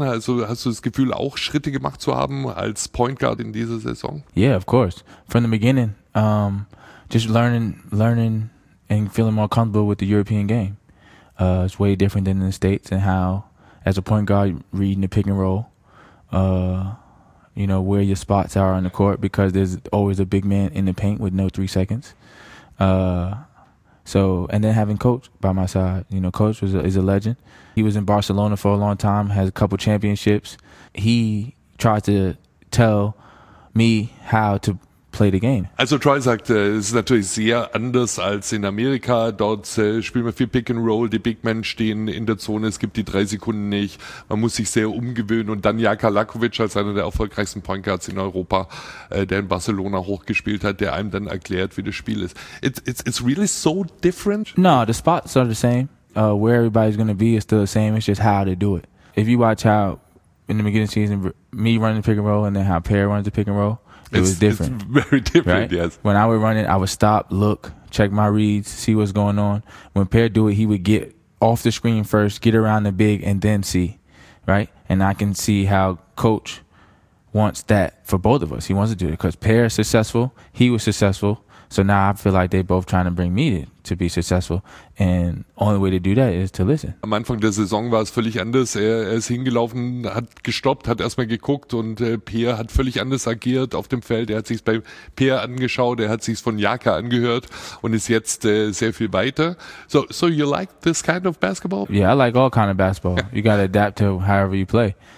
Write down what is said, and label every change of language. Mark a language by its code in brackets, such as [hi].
[de] Also, hast du das Gefühl, auch Schritte gemacht zu haben als Point Guard in dieser Saison? [en] Yeah, of course. From the beginning, just learning, and feeling more comfortable with the European game. It's way different than in the States, and how, as a point guard, reading the pick and roll, you know, where your spots are on the court, because there's always a big man in the paint with no 3 seconds. So, and then having Coach by my side, you know, Coach is a legend. He was in Barcelona for a long time, has a couple championships. He tried to tell me how to play the game. [de] Also Troy sagt, es ist natürlich sehr anders als in Amerika. Dort spielen wir viel Pick and Roll, die Big Men stehen in der Zone, es gibt die 3 Sekunden nicht. Man muss sich sehr umgewöhnen. Und dann Jakalakovic als einer der erfolgreichsten Point Guards in Europa, der in Barcelona hochgespielt hat, der einem dann erklärt, wie das Spiel ist. [en] It's really so different? No, the spots are the same. Where everybody's going to be is still the same. It's just how to do it. If you watch how in the beginning of the season, me running the pick and roll and then how Pear runs the pick and roll, it was different. It's very different, right? Yes. When I would run it, I would stop, look, check my reads, see what's going on. When Pear do it, he would get off the screen first, get around the big, and then see, right? And I can see how Coach wants that for both of us. He wants to do it because Pear is successful. He was successful. So now I feel like they're both trying to bring me to be successful. And only way to do that is to listen. [de] Am Anfang der Saison war es völlig anders. Er ist hingelaufen, hat gestoppt, hat erstmal geguckt und Pierre hat völlig anders agiert auf dem Feld. Er hat sich's bei Pierre angeschaut, er hat sich's von Jaka angehört und ist jetzt sehr viel weiter. [en] So you like this kind of basketball? Yeah, I like all kind of basketball. You gotta adapt to however you play.